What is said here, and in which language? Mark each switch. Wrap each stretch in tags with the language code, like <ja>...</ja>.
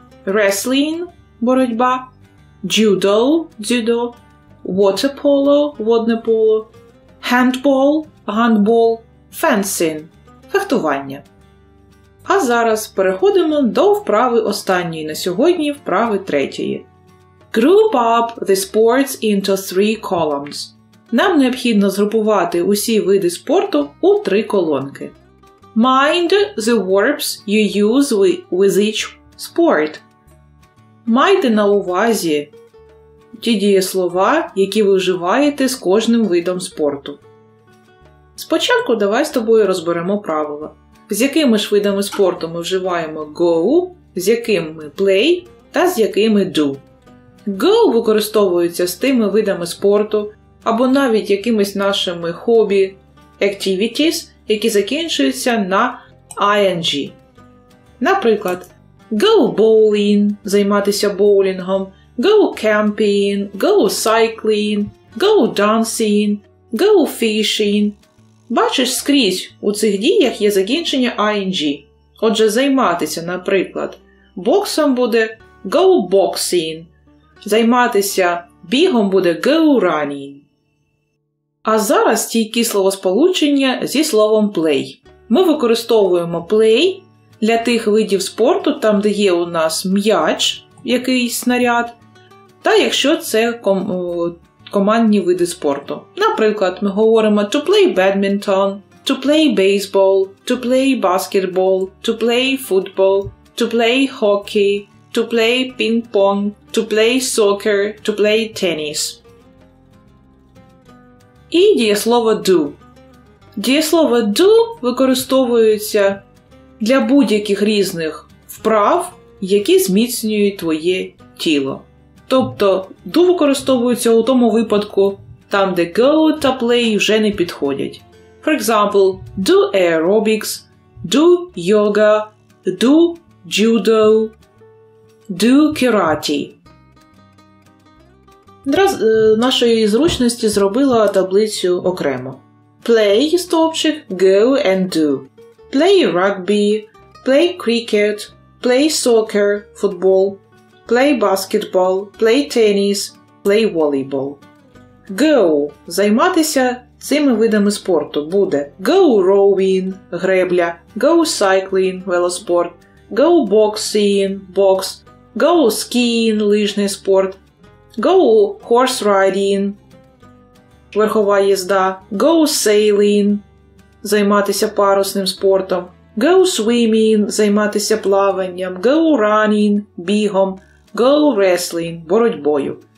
<uk>Wrestling – боротьба. Judo – дзюдо. Water polo – водне поло. Handball – гандбол, фенсинг, фехтування. А зараз переходимо до вправи останньої на сьогодні, вправи третьої.</uk> <en>Group up the sports into three columns.</en> <uk>Нам необхідно згрупувати усі види спорту у три колонки.</uk> <en>Mind the verbs you use with each sport.</en> <uk>Майте на увазі ті дієслова, які ви вживаєте з кожним видом спорту. Спочатку давай з тобою розберемо правила. з якими ж видами спорту ми вживаємо go, з якими play та з якими do. Go використовується з тими видами спорту або навіть якимись нашими хобі, activities, які закінчуються на ing.</uk> <en>Наприклад, go bowling –</en> <uk>займатися боулінгом,</uk> <en>go camping, go cycling, go dancing, go fishing.</en> <uk>Бачиш, скрізь у цих діях є закінчення ing. Отже, займатися, наприклад, боксом буде</uk> <en>go boxing,</en> <uk>займатися бігом буде</uk> <en>go running.</en> <uk>А зараз стійкі словосполучення зі словом play. Ми використовуємо play для тих видів спорту, там де є у нас м'яч, якийсь снаряд, та якщо це командні види спорту. Наприклад, ми говоримо</uk> <en>to play badminton, to play baseball, to play basketball, to play football, to play hockey, to play ping-pong, to play soccer, to play tennis.</en> <uk>І дієслово do. Дієслово do використовується для будь-яких різних вправ, які зміцнюють твоє тіло. Тобто do використовується у тому випадку, там де go та play вже не підходять.</uk> <en>For example, do aerobics, do yoga, do judo, do karate.</en> <uk>Нашої зручності зробила таблицю окремо.</uk> <en>Play – стовпчик, go and do. Play rugby, play cricket, play soccer – футбол, play basketball, play tennis, play volleyball.</en> <uk>Go – займатися цими видами спорту буде.</uk> <en>Go rowing – гребля, go cycling – велоспорт, go boxing – бокс, go skiing –</en> <uk>лижний спорт,</uk> <en>go horse riding –</en> <uk>верхова їзда,</uk> <en>go sailing –</en> <uk>займатися парусним спортом,</uk> <en>go swimming –</en> <uk>займатися плаванням,</uk> <en>go running – бігом, go wrestling – боротьбою.</en>